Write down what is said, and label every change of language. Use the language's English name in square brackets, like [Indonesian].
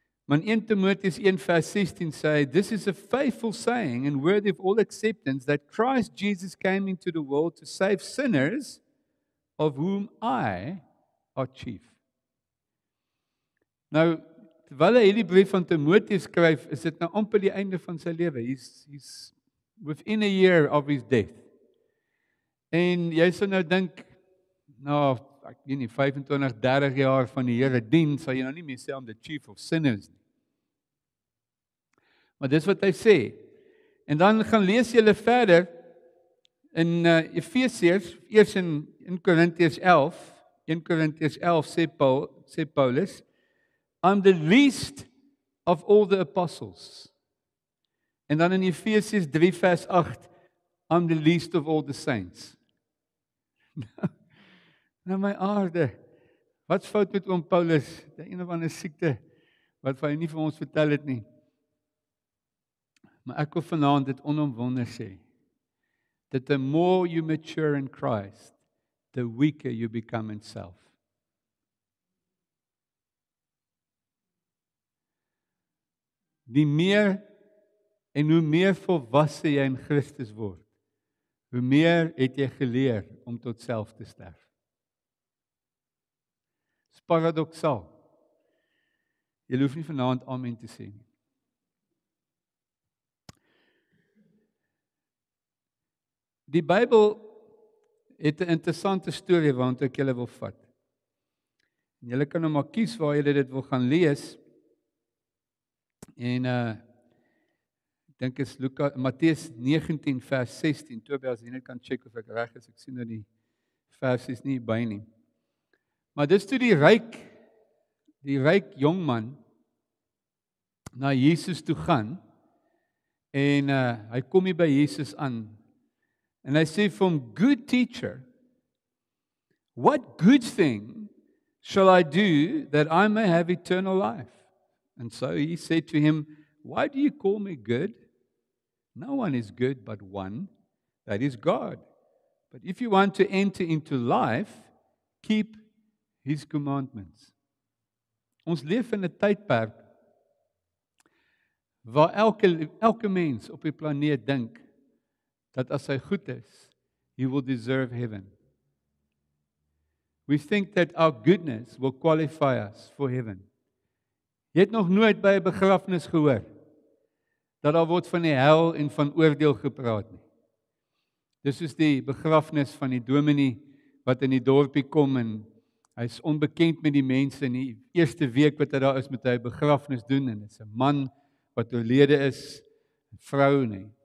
[Afrikaans] Maar 1 Timoteus 1 vers 16 sê, [English] this is a faithful saying and worthy of all acceptance that Christ Jesus came into the world to save sinners of whom I are chief. [Afrikaans] Nou, terwyl hy die brief van Timoteus skryf, is dit nou amper die einde van sy lewe. [English] He's within a year of his death. [Afrikaans] En jy sal nou dink, nou, ek weet nie, 25, 30 jaar van die Here dien, sal jy nou nie meer sê om [English] the chief of sinners [Afrikaans] nie. Maar dis wat hy sê. En dan gaan lees julle verder in Efesiërs, eers in Korintiërs 11. 1 Korintiërs 11 sê Paulus, [English] I'm the least of all the apostles. [Afrikaans] En dan in Efesiërs 3 vers 8, [English] I'm the least of all the saints. [Afrikaans] Nou my aarde, wat fout met oom Paulus? Die een of ander siekte, wat hy nie vir ons vertel het nie. Maar ek wil vanavond dit onomwonde sê, [English] that the more you mature in Christ, the weaker you become in self. [Afrikaans] Die meer, en hoe meer volwassen jy in Christus word, hoe meer het jy geleer om tot self te sterf. Dis paradoxaal. Jy hoef nie vanavond amen te sê nie. Die Bybel het 'n interessante storie waarin ek julle wil vat. En julle kan nou maar kies waar julle dit wil gaan lees. En ek dink is Matteus 19 vers 16. Tobias, jy kan check of ek reg is. Ek sien dat die vers is nie by nie. Maar dis toe die ryk jongman na Jesus toe gaan en hy kom hier by Jesus aan. [English] And I say from good teacher, what good thing shall I do that I may have eternal life? And so he said to him, why do you call me good? No one is good but one, that is God. But if you want to enter into life, keep his commandments. [Afrikaans] Ons leef in 'n tydperk waar elke mens op die planeet dink dat as hy goed is, [English] he will deserve heaven. We think that our goodness will qualify us for heaven. [Afrikaans] Jy het nog nooit by 'n begrafnis gehoor dat daar word van die hel en van oordeel gepraat nie. Dis soos die begrafnis van die dominee wat in die dorpie kom en hy is onbekend met die mense in die eerste week wat hy daar is met hy begrafnis doen en dit is 'n man wat oorlede is, 'n vrou nie.